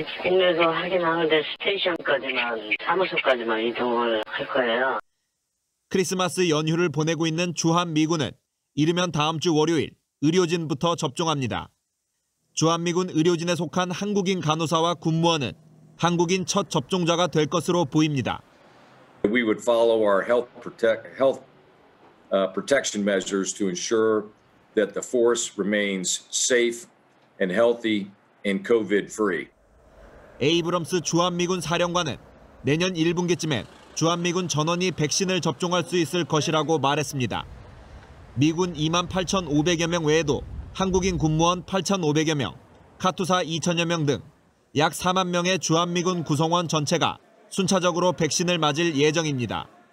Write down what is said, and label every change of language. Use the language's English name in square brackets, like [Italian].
[Korean] 국내에서 하긴 하는데 스테이션까지만, 사무소까지만 이동을 할 거예요. 크리스마스 연휴를 보내고 있는 주한미군은 이르면 다음 주 월요일 의료진부터 접종합니다. 주한미군 의료진에 속한 한국인 간호사와 군무원은 한국인 첫 접종자가 될 것으로 보입니다. [English] We would follow our health protection measures to ensure that the force remains safe and healthy and COVID-free. [Korean] 에이브럼스 주한미군 사령관은 내년 1분기쯤엔 주한미군 전원이 백신을 접종할 수 있을 것이라고 말했습니다. 미군 2만 8,500여 명 외에도 한국인 군무원 8,500여 명, 카투사 2,000여 명 등 약 4만 명의 주한미군 구성원 전체가 순차적으로 백신을 맞을 예정입니다.